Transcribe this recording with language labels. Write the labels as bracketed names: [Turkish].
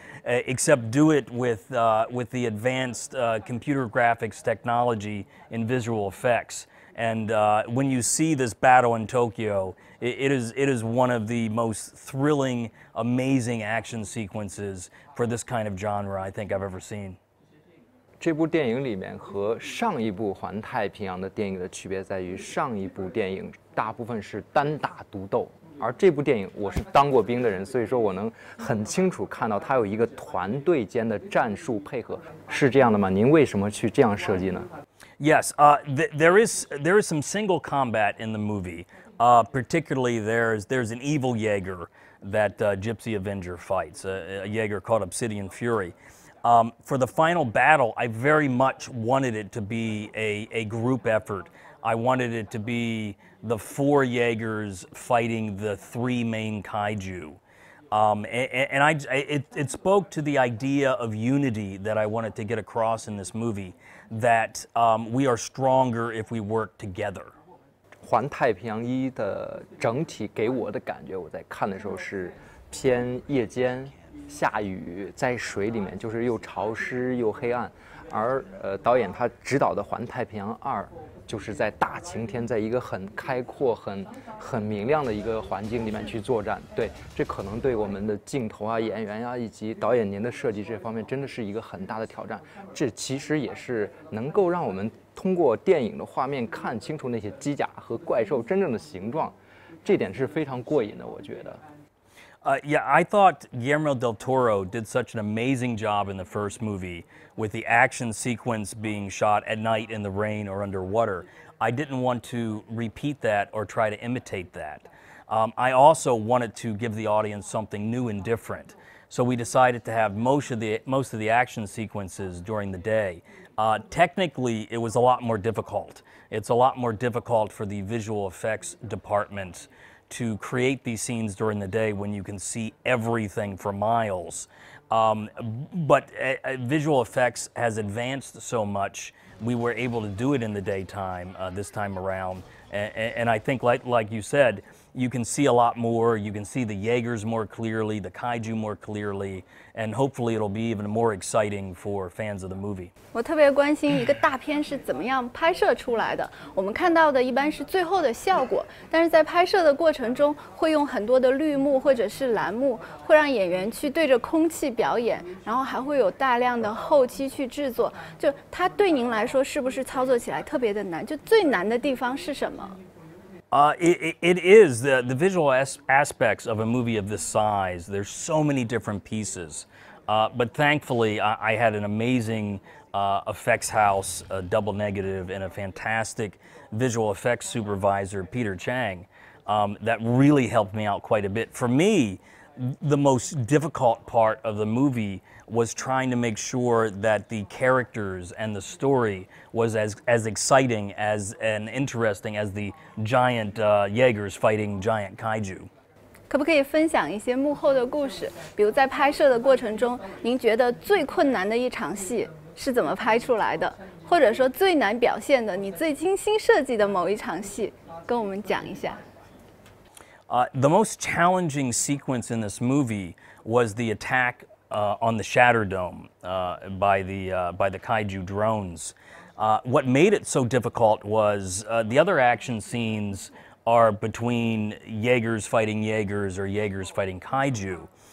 [English] Except do it with the advanced computer graphics technology in visual effects. And when you see this battle in Tokyo, it is one of the most thrilling, amazing action sequences for this kind of genre I think I've ever seen. [Chinese] 这部电影里面和上一部《环太平洋》的电影的区别在于，上一部电影大部分是单打独斗。而这部电影我是当过兵的人，所以说我能很清楚看到它有一个团队间的战术配合，是这样的吗？您为什么去这样设计呢？ [English] Yes, there is some single combat in the movie. Particularly there's an evil Jaeger that Gypsy Avenger fights, a Jaeger called Obsidian Fury. For the final battle, I very much wanted it to be a group effort. I wanted it to be the four Jaegers fighting the three main kaiju. And it spoke to the idea of unity that I wanted to get across in this movie, that we are stronger if we work together. [Chinese] 环太平洋一的整体给我的感觉，我在看的时候是偏夜间，下雨，在水里面，就是又潮湿又黑暗。而导演他指导的《环太平洋二》，就是在大晴天，在一个很开阔、很明亮的一个环境里面去作战。对，这可能对我们的镜头啊、演员啊以及导演您的设计这方面，真的是一个很大的挑战。这其实也是能够让我们通过电影的画面看清楚那些机甲和怪兽真正的形状，这点是非常过瘾的，我觉得。 [English] Yeah, I thought Guillermo del Toro did such an amazing job in the first movie with the action sequence being shot at night in the rain or underwater. I didn't want to repeat that or try to imitate that. I also wanted to give the audience something new and different. So we decided to have most of the action sequences during the day. Technically, it was a lot more difficult. It's a lot more difficult for the visual effects department to create these scenes during the day when you can see everything for miles. But visual effects has advanced so much, we were able to do it in the daytime this time around. And I think, like you said, you can see a lot more, you can see the Jaegers more clearly, the kaiju more clearly, and hopefully it'll be even more exciting for fans of the movie. [Chinese] 我特别关心一个大片是怎么样拍摄出来的，我们看到的一般是最后的效果，但是在拍摄的过程中会用很多的绿幕或者是蓝幕，会让演员去对着空气表演，然后还会有大量的后期去制作，就它对您来说是不是操作起来特别的难？就最难的地方是什么？ [English] It is the visual aspects of a movie of this size. There's so many different pieces. But thankfully, I had an amazing effects house, Double Negative, and a fantastic visual effects supervisor, Peter Chang. That really helped me out quite a bit. For me, the most difficult part of the movie was trying to make sure that the characters and the story was as exciting as, and interesting as the giant Jaegers fighting giant kaiju. [Chinese] 可不可以分享一些幕后的故事？比如在拍摄的过程中，您觉得最困难的一场戏是怎么拍出来的？或者说最难表现的，你最精心设计的某一场戏，跟我们讲一下。 [English] The most challenging sequence in this movie was the attack on the Shatter Dome by the kaiju drones. What made it so difficult was the other action scenes are between Jaegers fighting Jaegers or Jaegers fighting kaiju.